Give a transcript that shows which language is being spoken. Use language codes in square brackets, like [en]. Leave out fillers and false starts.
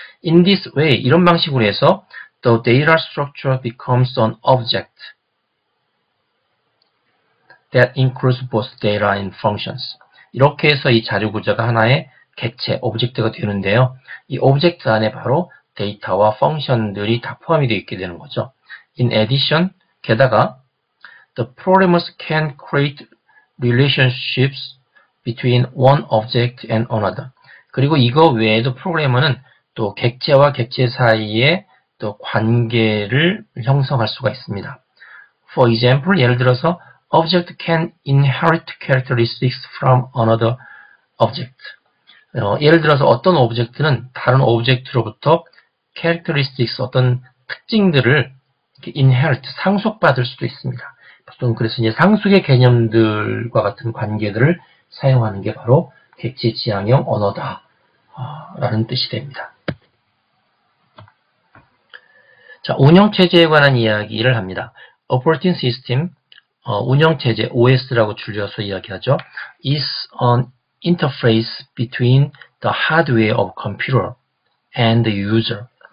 [en] In this way, [ko] 이런 방식으로 해서 [en] the data structure becomes an object that includes both data and functions. [ko] 이렇게 해서 이 자료 구조가 하나의 객체, 오브젝트가 되는데요. 이 오브젝트 안에 바로 데이터와 펑션들이 다 포함이 되어 있게 되는 거죠. [en] In addition, [ko] 게다가 [en] the programmers can create relationships between one object and another. [ko] 그리고 이거 외에도 프로그래머는 또 객체와 객체 사이에 또 관계를 형성할 수가 있습니다. [en] For example, [ko] 예를 들어서 [en] object can inherit characteristics from another object. [ko] 예를 들어서 어떤 오브젝트는 다른 오브젝트로부터 characteristics, 어떤 특징들을 inherit, 상속받을 수도 있습니다. 보통 그래서 이제 상속의 개념들과 같은 관계들을 사용하는 게 바로 객체지향형 언어다라는 뜻이 됩니다. 자, 운영체제에 관한 이야기를 합니다. Operating System, 운영체제, OS라고 줄여서 이야기하죠. [en] is an interface between the hardware of computer and the user.